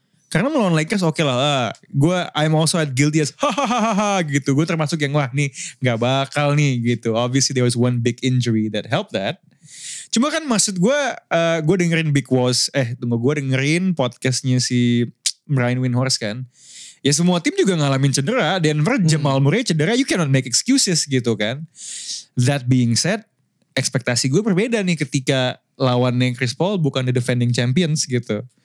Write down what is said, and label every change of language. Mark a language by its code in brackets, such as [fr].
[id] Karena melawan Lakers okay lah, gue [en] I'm also at guilty as [id] gitu. Gue termasuk yang wah nih gak bakal nih gitu. [en] Obviously there was one big injury that helped that. [id] Cuma kan maksud gue dengerin Big Was, gue dengerin podcastnya si Brian Windhorst kan. Ya semua tim juga ngalamin cedera, Denver Jamal Murray cedera, [en] you cannot make excuses [id] gitu kan. [en] That being said, [id] ekspektasi gue berbeda nih ketika lawannya Chris Paul bukan [en] the defending champions [id] gitu.